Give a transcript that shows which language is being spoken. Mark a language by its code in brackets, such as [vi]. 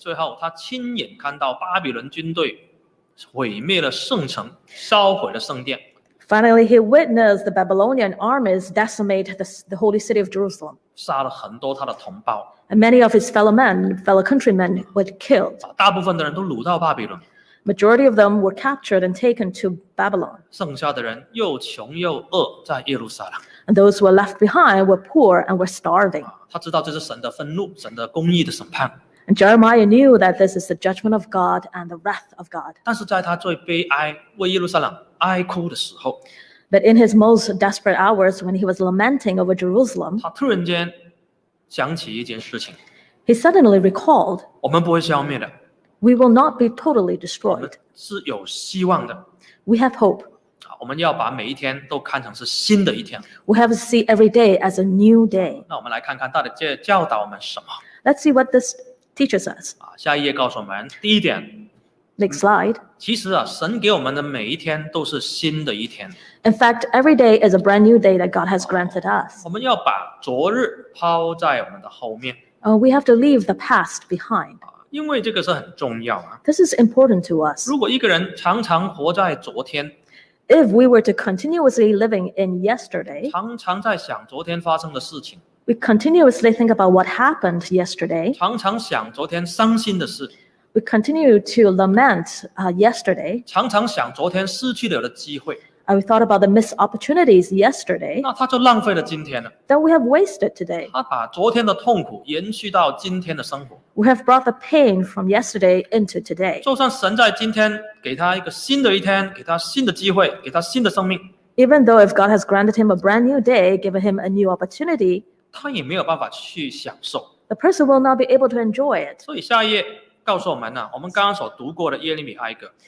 [zh] 最后，他亲眼看到巴比伦军队毁灭了圣城，烧毁了圣殿。 [en] Finally, he witnessed the Babylonian armies decimate the holy city of Jerusalem. [zh] 杀了很多他的同胞。 [en] And many of his fellow men, fellow countrymen, were killed. [zh] 大部分的人都掳到巴比伦。 [en] Majority of them were captured and taken to Babylon. [zh] 剩下的人又穷又饿，在耶路撒冷。 [en] And those who were left behind were poor and were starving. [zh] 他知道这是神的愤怒，神的公义的审判。 [en] And Jeremiah knew that this is the judgment of God and the wrath of God. [zh] 但是在他最悲哀，为耶路撒冷哀哭的时候 [en] ，But in his most desperate hours, when he was lamenting over Jerusalem, [zh] 他突然间想起一件事情。 [en] He suddenly recalled, [zh] 我们不会消灭的。 [en] We will not be totally destroyed. [zh] 我们是有希望的。 [en] We have hope. [zh] 我们要把每一天都看成是新的一天。 [en] We have to see every day as a new day. [zh] 那我们来看看到底这教导我们什么。 [en] Let's see what this teaches us. [zh] 下一页告诉我们第一点。 [en] Next slide. [zh] 其实啊，神给我们的每一天都是新的一天。 [en] In fact, every day is a brand new day that God has granted us. [zh] 我们要把昨日抛在我们的后面。 [en] We have to leave the past behind. [zh] 因为这个是很重要啊。 [en] This is important to us. [zh] 如果一个人常常活在昨天。 [en] If we were to continuously living in yesterday, [zh] 常常在想昨天发生的事情。 [en] We continuously think about what happened yesterday. [zh] 常常想昨天伤心的事。 [en] We continue to lament yesterday. [zh] 常常想昨天失去了的机会。 [en] And we thought about the missed opportunities yesterday. [zh] 那他就浪费了今天了。 [en] That we have wasted today. [zh] 他把昨天的痛苦延续到今天的生活。 [en] We have brought the pain from yesterday into today. [zh] 就算神在今天给他一个新的一天，给他新的机会，给他新的生命。 [en] Even though if God has granted him a brand new day, given him a new opportunity, [zh] 他也没有办法去享受。 [en] The person will not be able to enjoy it. [zh] 所以下一页。告诉我们呢，我们刚刚所读过的耶利米哀歌。